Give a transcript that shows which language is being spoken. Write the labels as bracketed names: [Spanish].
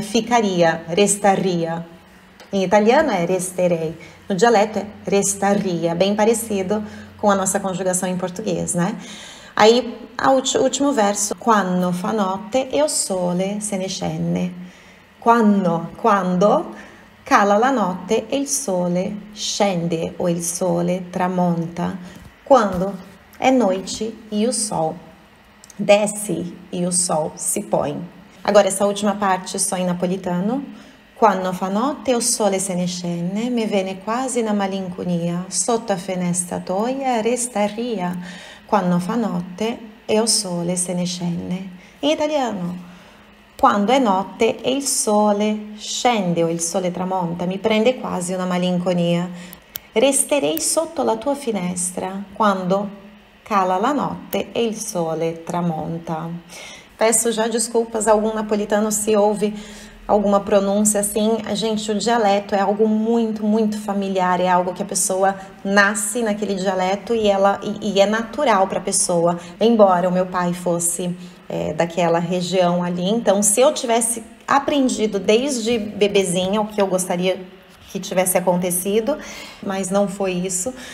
[Portuguese] Ficaria, restaria. Em italiano é resterei. No dialeto é restaria, bem parecido com a nossa conjugação em português, né? Aí, último verso. [Neapolitan] Quando fa notte e o sole se ne scende. [Italian] Quando cala la notte e il sole scende o il sole tramonta. [Portuguese] Quando è noite e o sol desce e o sol se põe. Agora, essa última parte só em napolitano. [Neapolitan] Quando fa notte o sole se ne scende, mi viene quasi una malinconia. Sotto a finestra tua, restaria. Quando fa notte e o sole se ne scende. [Italian] In italiano, Quando è notte e il sole scende o il sole tramonta, mi prende quasi una malinconia. Resterei sotto la tua finestra quando cala la notte e il sole tramonta. [Portuguese] Peço já desculpas a algum napolitano se houve alguma pronúncia assim. Gente, o dialeto é algo muito, muito familiar. É algo que a pessoa nasce naquele dialeto e é natural para a pessoa. Embora o meu pai fosse daquela região ali, então se eu tivesse aprendido desde bebezinha o que eu gostaria que tivesse acontecido, mas não foi isso.